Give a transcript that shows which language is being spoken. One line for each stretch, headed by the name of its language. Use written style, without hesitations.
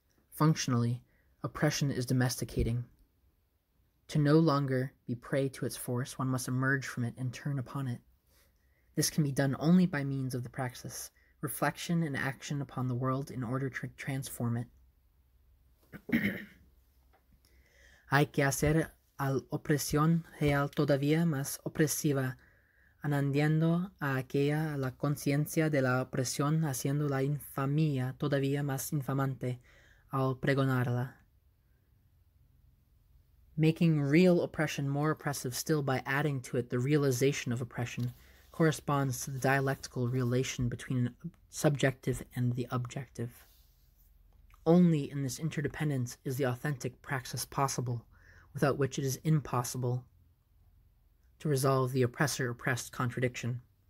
English: Functionally, oppression is domesticating. To no longer be prey to its force, one must emerge from it and turn upon it. This can be done only by means of the praxis, reflection and action upon the world in order to transform it.
Spanish: Hay que hacer a la opresión real todavía más opresiva, anandiendo a aquella a la conciencia de la opresión haciendo la infamia todavía más infamante al pregonarla.
English: Making real oppression more oppressive still by adding to it the realization of oppression corresponds to the dialectical relation between subjective and the objective. Only in this interdependence is the authentic praxis possible, without which it is impossible to resolve the oppressor-oppressed contradiction.